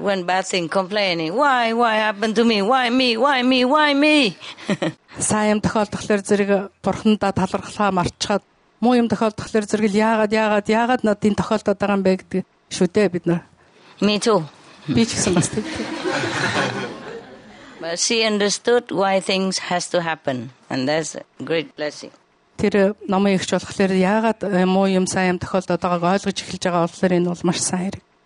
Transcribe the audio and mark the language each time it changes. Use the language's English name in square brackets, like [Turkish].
[English] When bad things complaining, why happened to me? Why me? Why me? Why me? [Mongolian] Сайн юм тохиолдохлоор зэрэг бурхандаа талархлаа марчхад муу юм тохиолдохлоор зэрэг яагаад над энэ тохиолдоод байгаа юм бэ гэдэг шүү дээ бид нар. [English] Me too. [Mongolian] Би ч гэсэн бас тэг. [English] But she understood why things has to happen and that's a great blessing. [Mongolian] Тэр номын ихч болохлоор яагаад муу юм сайн юм тохиолдоод байгааг ойлгож эхэлж байгаа болохоор энэ бол маш сайн хэрэг.